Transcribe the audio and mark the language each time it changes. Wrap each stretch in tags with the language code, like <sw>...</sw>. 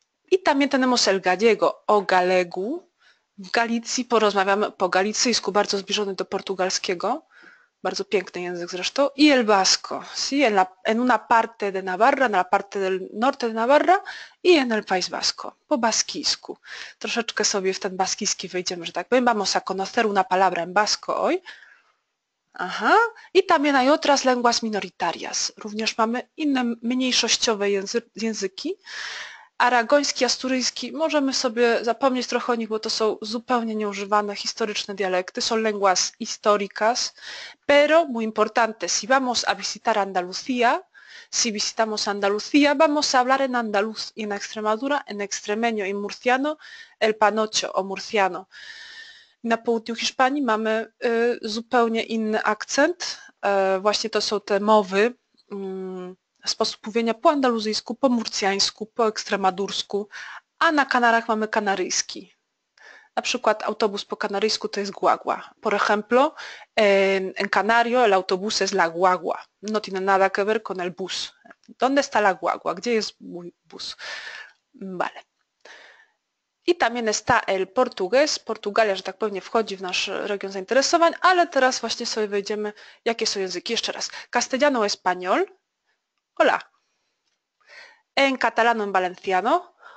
<es>I también tenemos el gallego, o galegu.</es> <pl>W Galicji porozmawiamy po galicyjsku, bardzo zbliżony do portugalskiego. Bardzo piękny język zresztą.</pl> <es>I el vasco, sí? En una parte de Navarra, en la parte del norte de Navarra i en el país vasco,</es> <pl>po baskijsku. Troszeczkę sobie w ten baskijski wejdziemy, że tak powiem.</pl> <es>Vamos a conocer una palabra en vasco hoy. Aha. I también hay otras lenguas minoritarias.</es> <pl>Również mamy inne mniejszościowe języki. aragoński, asturyjski, możemy sobie zapomnieć trochę o nich, bo to są zupełnie nieużywane historyczne dialekty,</pl> <es>son lenguas históricas, pero muy importante, si vamos a visitar Andalucía, si visitamos Andalucía, vamos a hablar en andaluz y en Extremadura, en extremeño y murciano, el panocho o murciano.</es> <pl>Na południu Hiszpanii mamy zupełnie inny akcent, właśnie to są te mowy, sposób mówienia po andaluzyjsku, po murciańsku, po ekstremadursku, a na Kanarach mamy kanaryjski. Na przykład autobus po kanaryjsku to jest guagua.</pl> <es>Por ejemplo, en canario el autobus es la guagua. No tiene nada que ver con el bus. ¿Dónde está la guagua?</es> <pl>Gdzie jest mój bus?</pl> <es>Vale. I también está el portugués.</es> <pl>Portugalia, że tak pewnie wchodzi w nasz region zainteresowań, ale teraz właśnie sobie wejdziemy, jakie są języki. Jeszcze raz.</pl> <es>Castellano, español. Hola. En catalano, en valenciano.</es>